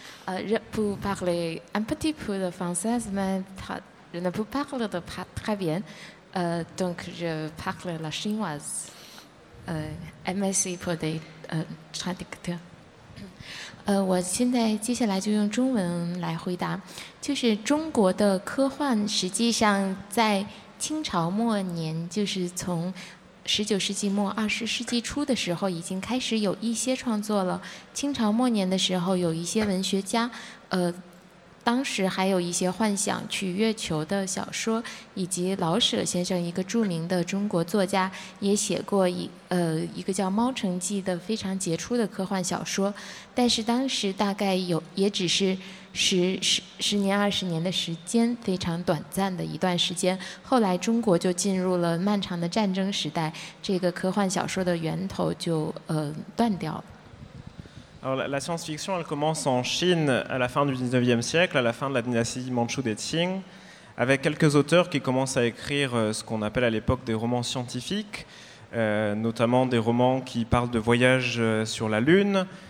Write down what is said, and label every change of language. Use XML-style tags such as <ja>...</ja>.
<fr>Je peux parler un petit peu de français, mais je ne peux parler de pas très bien. Donc, je parle la chinoise. Merci pour les traducteurs.</fr> <zh>我现在接下来就用中文来回答，就是中国的科幻实际上在清朝末年，就是从十九世纪末二十世纪初的时候已经开始有一些创作了。清朝末年的时候，有一些文学家，当时还有一些幻想去月球的小说，以及老舍先生一个著名的中国作家也写过一个叫《猫城记》的非常杰出的科幻小说，但是当时大概也只是十年二十年的时间，非常短暂的一段时间。后来中国就进入了漫长的战争时代，这个科幻小说的源头就断掉了。</zh> <fr>Alors, la science-fiction, elle commence en Chine à la fin du 19e siècle, à la fin de la dynastie Manchu des Qing, avec quelques auteurs qui commencent à écrire ce qu'on appelle à l'époque des romans scientifiques, notamment des romans qui parlent de voyages sur la Lune.</fr>